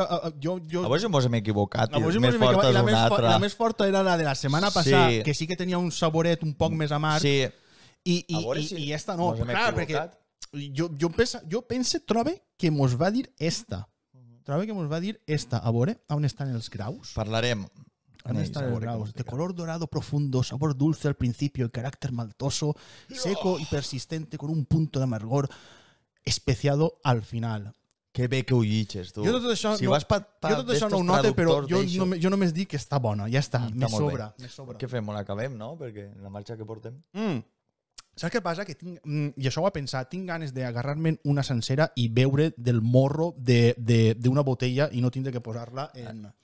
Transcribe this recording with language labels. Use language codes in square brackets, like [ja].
[ca] a veure si mos hem equivocat. Més forta és una altra. La més forta era la de la setmana passada, que sí que tenia un saboret un poc més amarg. Sí. I esta no. Clar, perquè Jo pense, trobe que mos va dir esta. Trobe que mos va dir esta. A veure, on estan els graus? Parlarem. On estan els graus? [es] De color dorado profundo, sabor dulce al principio, carácter maltoso, seco y persistente, con un punto de amargor especiado al final. [ca] Que bé que ho llitges, tu. Jo tot això, si no, vas jo tot això no ho note, però jo només dic que està bona. Ja està, me sobra. Què fem? Ho acabem, no? Perquè la marxa que portem... Mm. Saps què passa? Que tinc, i això ho he pensat, tinc ganes d'agarrar-me una sencera i beure del morro d'una botella i no tindre que posar-la en...